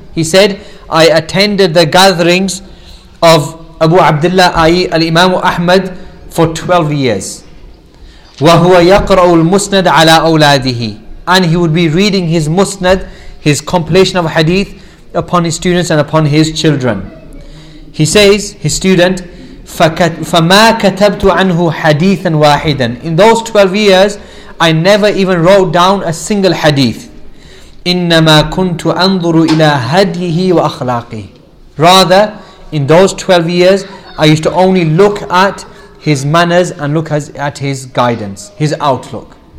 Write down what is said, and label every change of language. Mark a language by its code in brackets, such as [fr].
[en] He said, I attended the gatherings of Abu Abdullah, i.e. Al-Imam Ahmad, for 12 years. [ar] وَهُوَ يَقْرَأُ الْمُسْنَدَ عَلَىٰ أَوْلَادِهِ. [en] And he would be reading his musnad, his compilation of hadith, upon his students and upon his children. He says, his student, [ar] فَمَا كَتَبْتُ عَنْهُ حَدِيثًا وَاحِدًا. [en] In those 12 years, I never even wrote down a single hadith. [ar] إِنَّمَا كُنْتُ أَنْظُرُ إِلَىٰ هَدْيِهِ وَأَخْلَاقِهِ. [en] Rather, in those 12 years, I used to only look at his manners and look at his guidance, his outlook.